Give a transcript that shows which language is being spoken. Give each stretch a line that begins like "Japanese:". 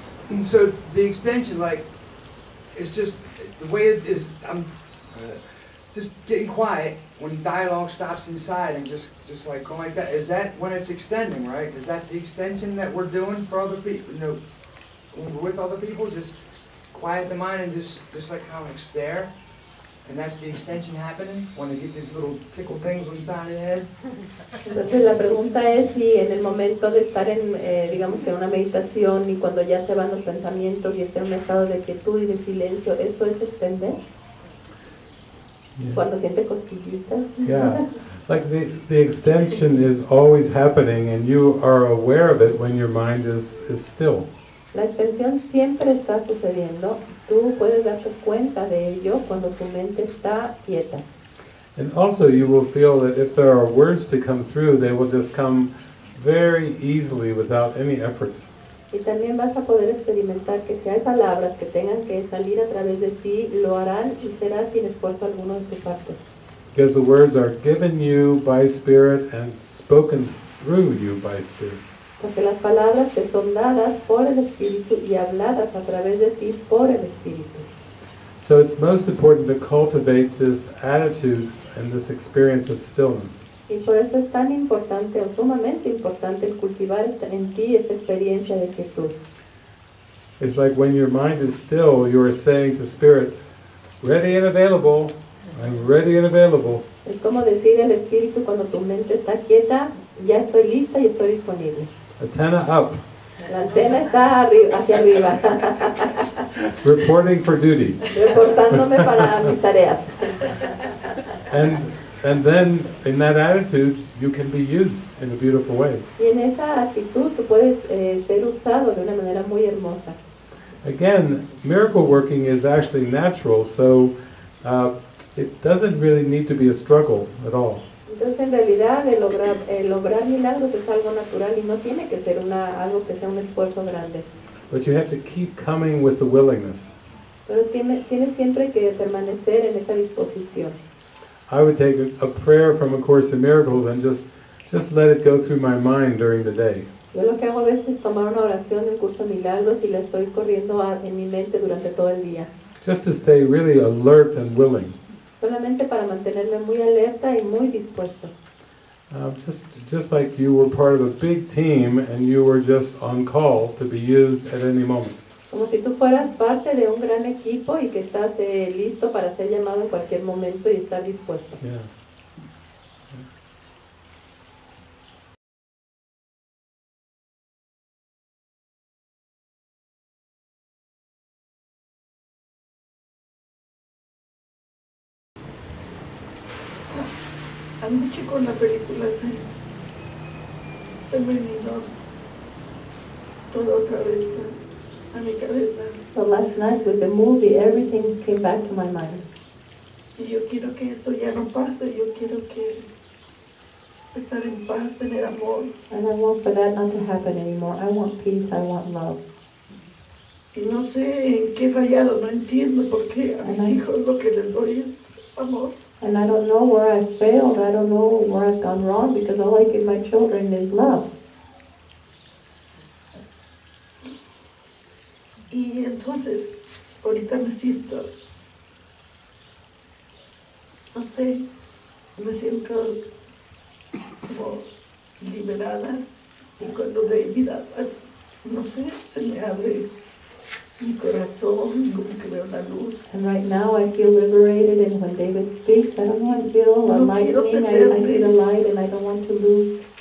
English: And so the extension, like, is just the way it is. I'm just getting quiet. When dialogue stops inside and just like going like that, is that when it's extending, right? Is that the extension that we're doing for other people, you know, with other people? Just quiet the mind and just like kind of like stare, and that's the extension happening when they get these little tickle things inside the head.
Spanish: Entonces la pregunta es si en el momento de estar en digamos que en una meditación y cuando ya se van los pensamientos y esté en un estado de quietud y de silencio, eso es extender.
English: Yeah. Like the extension is always happening and you are aware of it when your mind is still.
Spanish: La extensión siempre está sucediendo. Tú puedes darte cuenta de ello cuando tu mente está quieta.
English: And also you will feel that if there are words to come through, they will just come very easily without any effort.
Spanish: Y también vas a poder experimentar que si hay palabras que tengan que salir a través de ti, lo harán y será sin esfuerzo alguno de tu parte.
English: Because the words are given you by Spirit and spoken through you by Spirit.
Spanish: Porque las palabras te son dadas por el Espíritu y habladas a través de ti por el Espíritu.
English: So it's most important to cultivate this attitude and this experience of stillness.
Spanish: Y por eso es tan importante, o sumamente importante, el cultivar en ti esta experiencia de quietud.
English: It's like when your mind is still, you are saying to Spirit, ready and available, I'm ready and available.
Spanish: Es como decir al Espíritu cuando tu mente está quieta, ya estoy lista y estoy disponible.
English: Antenna up.
Spanish: La antena está hacia arriba.
English: Reporting for duty.
Spanish: Reportándome para mis tareas.
English: And And then, in that attitude, you can be used in a beautiful way.
Spanish: Y en esa actitud, tú puedes ser usado de una manera muy hermosa.
English: Again, miracle working is actually natural, so it doesn't really need to be a struggle at all.
Spanish: Entonces, en realidad, lograr milagros es algo natural y no tiene que ser algo que sea un esfuerzo grande.
English: But you have to keep coming with the willingness.
Spanish: Pero tienes siempre que permanecer en esa disposición.
English: I would take a prayer from A Course in Miracles and just let it go through my mind during the day.
Spanish: Yo lo que hago a veces es tomar una oración del Curso de Milagros y la estoy corriendo en mi mente durante todo el día.
English: Just to stay really alert and willing.
Spanish: Solamente para mantenerme muy alerta y muy dispuesto.
English: Just like you were part of a big team and you were just on call to be used at any moment.
Spanish: Como si tú fueras parte de un gran equipo y que estás listo para ser llamado en cualquier momento y estar dispuesto.
English: Yeah.
Spanish: Anoche con la película se me vino todo otra vez a mi cabeza.
English: So last night with the movie, everything came back to my mind.
Spanish: Y yo quiero que eso ya no pase. Yo quiero que estar en paz, tener amor.
English: And I want for that not to happen anymore. I want peace. I want love.
Spanish: Y no sé en qué he fallado. No entiendo por qué a mis hijos lo que les doy es amor.
English: And I don't know where I failed. I don't know where I've gone wrong because all I give my children is love.
Spanish: Y entonces, ahorita me siento, no sé, me siento como liberada. Y cuando me mira, no sé, se me abre mi corazón, como que veo la luz.
English: And right now I feel liberated, and when David speaks, I don't want to feel lightning. I see the light, and I don't want to lose.